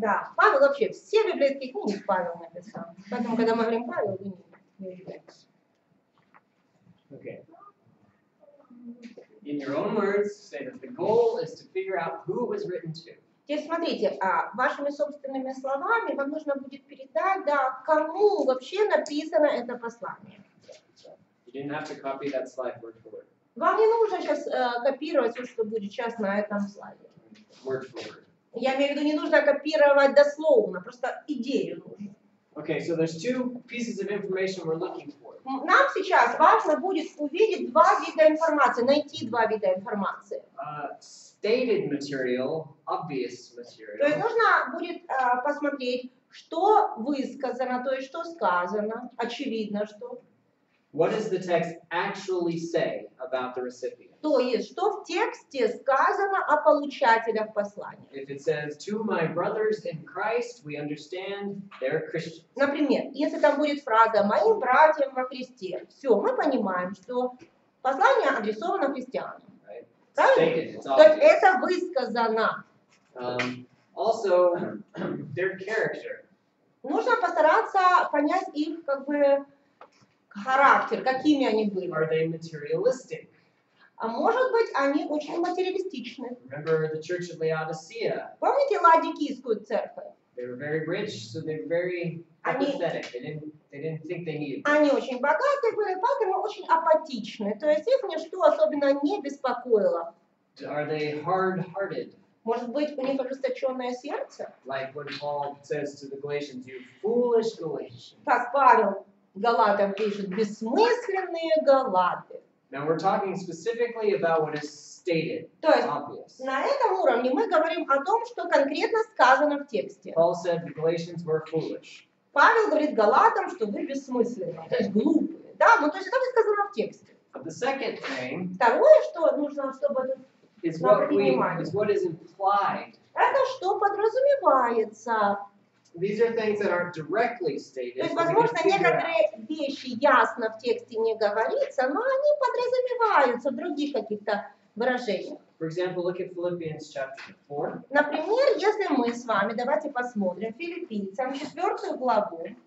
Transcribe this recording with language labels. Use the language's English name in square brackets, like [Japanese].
[Russian] Да, Павел вообще все библейские книги Павел написал. Поэтому, когда мы говорим Павел, мы не знаем. [English] Okay. In your own words, say that the goal is to figure out who it was written to. [Russian] Теперь смотрите, вашими собственными словами вам нужно будет передать, да, кому вообще написано это послание. [English] You didn't have to copy that slide word for word. [Russian] Вам не нужно сейчас копировать все, что будет сейчас на этом слайде. [English] Word for word. [Russian] Я имею в виду, не нужно копировать дословно, просто идею нужно. [English] Okay, so there's two pieces of information we're looking for. [Russian] Нам сейчас важно будет увидеть два вида информации, найти два вида информации. [English] Stated material, obvious material. [Russian] То есть нужно будет посмотреть, что высказано, то есть что сказано, очевидно, что. [English] What does the text actually say about the recipient? [Russian] То есть, что в тексте сказано о получателях послания. [English] If it says, to my brothers in Christ, we understand they're Christians. [Russian] Например, если там будет фраза «моим братьям во Христе», все, мы понимаем, что послание адресовано христианам. [English] Right? [Russian] Правильно? [English] Stated, [Russian] то есть, это высказано. [English] Also, their character. [Russian] Нужно постараться понять их, как бы, характер, какими они были. [English] Are they materialistic? [Russian] А может быть, они очень материалистичны. [English] Remember the church of Laodicea? [Russian] Помните Лаодикийскую церковь? [English] They were very rich, so they were very apathetic. They didn't think they needed. [Russian] Они очень богаты были, поэтому очень апатичны. То есть их ничто особенно не беспокоило. [English] Are they hard-hearted? [Russian] Может быть, у них ожесточенное сердце? [English] Like what Paul says to the Galatians, you foolish Galatians. [Russian] Как Павел Галатам пишет, бессмысленные галаты. [English] Now we're talking specifically about what is stated. [Russian] То есть [English] obvious. [Russian] На этом уровне мы говорим о том, что конкретно сказано в тексте. [English] Paul said the Galatians were foolish. [Russian] Павел говорит галатам, что вы бессмысленные, то есть глупые. Да, ну то есть это сказано в тексте. [English] But the second thing. [Russian] Второе, что нужно, чтобы [English] is what is what is implied. [Russian] Это что подразумевается. [English] These are things that aren't directly stated. [Russian] То есть, возможно, некоторые вещи ясно в тексте не говорится, но они подразумеваются в других каких-то выражениях. [English] For example, look at Philippians chapter 4. [Russian] Например, если мы с вами, давайте посмотрим Филиппийцам 4 главу.